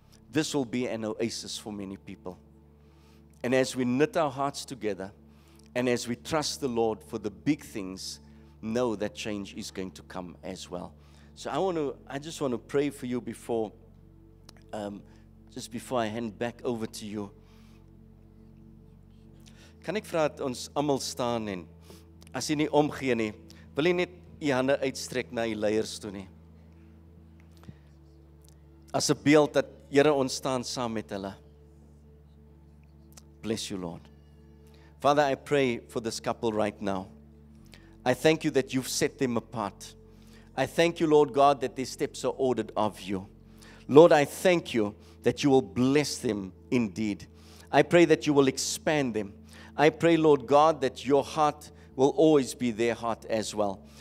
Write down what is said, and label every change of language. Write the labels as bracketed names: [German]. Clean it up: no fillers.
[English] This will be an oasis for many people. And as we knit our hearts together, and as we trust the Lord for the big things, know that change is going to come as well. So I just want to pray for you before, just before I hand back over to you. [Afrikaans] Kan ek vra dat ons almal staan en as jy nie omgee nie, wil jy net jy hande uitstrek na jy leiers toe nie. As 'n beeld dat Here ons staan saam met hulle. [English] Bless you, Lord. Father, I pray for this couple right now. I thank you that you've set them apart. I thank you, Lord God, that their steps are ordered of you. Lord, I thank you that you will bless them indeed. I pray that you will expand them. I pray, Lord God, that your heart will always be their heart as well.